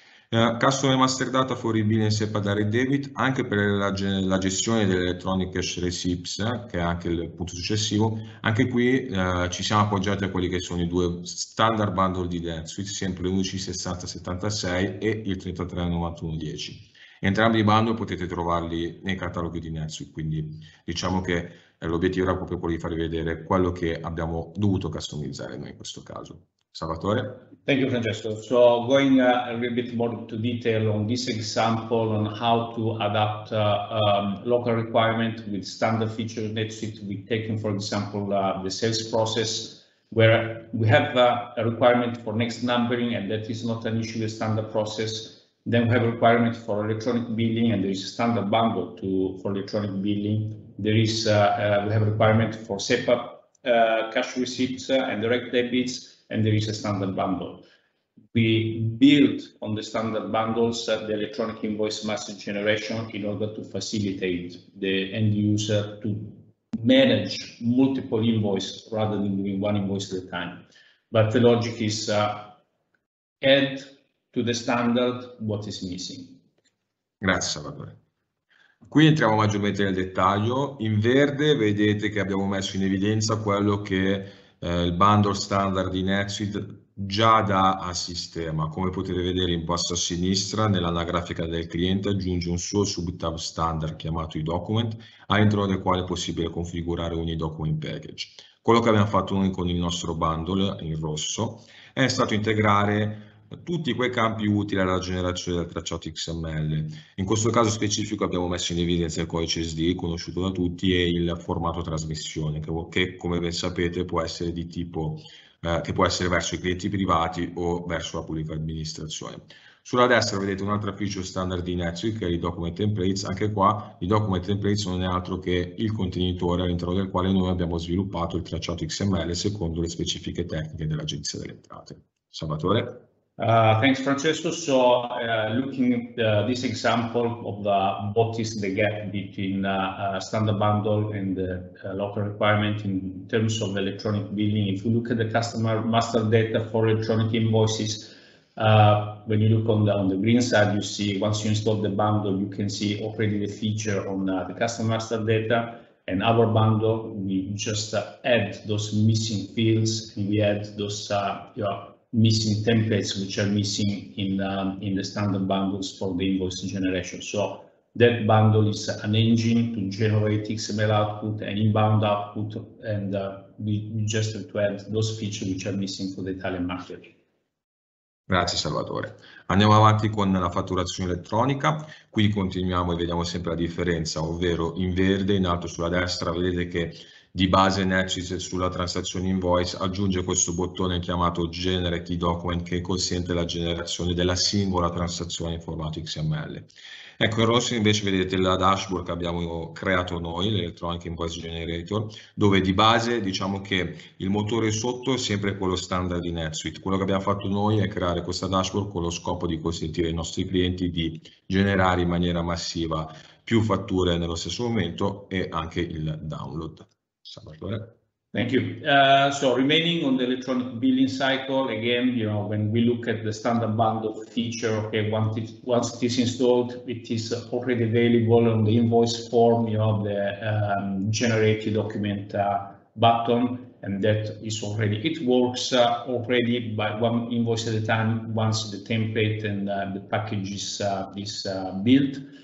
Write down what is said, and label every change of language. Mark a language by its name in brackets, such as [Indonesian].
[Italian] Customer Master Data for e-billing SEPA Direct Debit, anche per la gestione delle Electronic Cash Receipts, che è anche il punto successivo, anche qui ci siamo appoggiati a quelli che sono i due standard bundle di NetSuite, sempre l'11676 e il 339110. Entrambi i bundle potete trovarli nei cataloghi di NetSuite, quindi diciamo che l'obiettivo era proprio quello di farvi vedere quello che abbiamo dovuto customizzare noi in questo caso. Salvatore. [English] Thank you, Francesco. So going a little bit more to detail on this example on how to adapt local requirement with standard features needed to be taken, for example, the sales process, where we have a requirement for next numbering and that is not an issue with standard process. Then we have a requirement for electronic billing and there is a standard bundle to, for electronic billing. There is, we have a requirement for SEPA cash receipts and direct debits, and there is a standard bundle. We build on the standard bundles the electronic invoice message generation in order to facilitate the end user to manage multiple invoices rather than doing one invoice at a time. But the logic is add to the standard what is missing. [Italian] Grazie, Salvatore. Qui entriamo maggiormente nel dettaglio. In verde vedete che abbiamo messo in evidenza quello che il bundle standard di NetSuite già dà a sistema. Come potete vedere in basso a sinistra, nell'anagrafica del cliente aggiunge un suo subtab standard chiamato eDocument, all'interno del quale è possibile configurare un eDocument package. Quello che abbiamo fatto noi con il nostro bundle in rosso è stato integrare tutti quei campi utili alla generazione del tracciato XML. In questo caso specifico abbiamo messo in evidenza il codice SD conosciuto da tutti e il formato trasmissione che come ben sapete può essere di tipo che può essere verso i clienti privati o verso la pubblica amministrazione. Sulla destra vedete un'altra feature standard di NetSuite che è i document templates. Anche qua i document templates non è altro che il contenitore all'interno del quale noi abbiamo sviluppato il tracciato XML secondo le specifiche tecniche dell'Agenzia delle Entrate. Salvatore. [English] Thanks, Francesco. So looking at this example of the, what is the gap between standard bundle and the local requirement in terms of electronic billing. If you look at the customer master data for electronic invoices, when you look on the green side, you see once you install the bundle, you can see already the feature on the customer master data. And our bundle, we just add those missing fields. We add those missing templates which are missing in the standard bundles for the invoice generation. So that bundle is an engine to generate XML output and inbound output, and we just have to add those features which are missing for the Italian market. [Italian] Grazie Salvatore. Andiamo avanti con la fatturazione elettronica. Qui continuiamo e vediamo sempre la differenza, ovvero in verde, in alto sulla destra, vedete che di base NetSuite sulla transazione invoice aggiunge questo bottone chiamato Generate Document che consente la generazione della singola transazione in formato XML. Ecco, in rosso invece vedete la dashboard che abbiamo creato noi, l'Electronic Invoice Generator, dove di base diciamo che il motore sotto è sempre quello standard di NetSuite. Quello che abbiamo fatto noi è creare questa dashboard con lo scopo di consentire ai nostri clienti di generare in maniera massiva più fatture nello stesso momento e anche il download. [English] Thank you. So remaining on the electronic billing cycle, again, you know, when we look at the standard bundle feature, okay, once it is installed, it is already available on the invoice form, you know, the generate document button, and that is already, it works already by one invoice at a time once the template and the package is built.